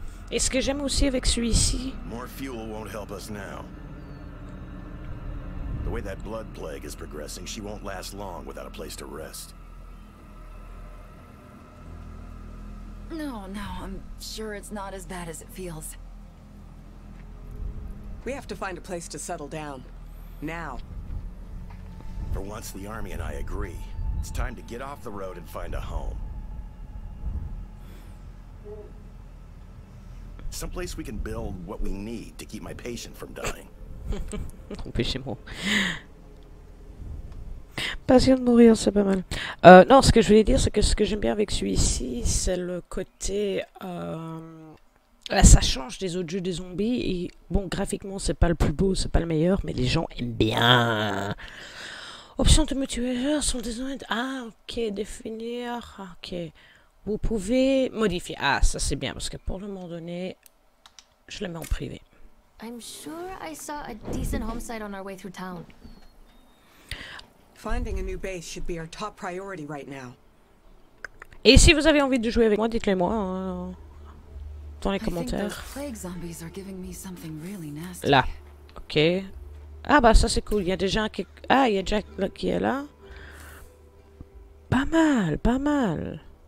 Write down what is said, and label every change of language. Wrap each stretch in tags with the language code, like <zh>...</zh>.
<fr>Et ce que j'aime aussi avec celui-ci.</fr> <en>More fuel won't help us now. The way that blood plague is progressing, she won't last long without a place to rest. No, no, I'm sure it's not as bad as it feels. We have to find a place to settle down. Now. For once, the army and I agree. It's time to get off the road and find a home. Some place we can build what we need to keep my patient from dying.</en> <fr>Empêchez-moi. Patient de mourir, c'est pas mal. Non, ce que je voulais dire, c'est que ce que j'aime bien avec celui-ci, c'est le côté... ça change des autres jeux des zombies. Et, bon, graphiquement, c'est pas le plus beau, c'est pas le meilleur, mais les gens aiment bien... Options de multijoueur sont désormais... Ah, ok, définir... Ok, vous pouvez modifier... Ah, ça c'est bien, parce que pour le moment donné, je le mets en privé.</fr> <en>I'm sure I saw a decent home site on our way through town. Finding a new base should be our top priority right now.</en> <fr>Et si vous avez envie de jouer avec moi, dites-le moi dans les commentaires.</fr> <en>I think those plague zombies are giving me something really nasty.</en> <fr>Là, ok. Ah bah ça c'est cool, il y a déjà un qui... Ah, il y a Jack là, qui est là. Pas mal, pas mal.</fr>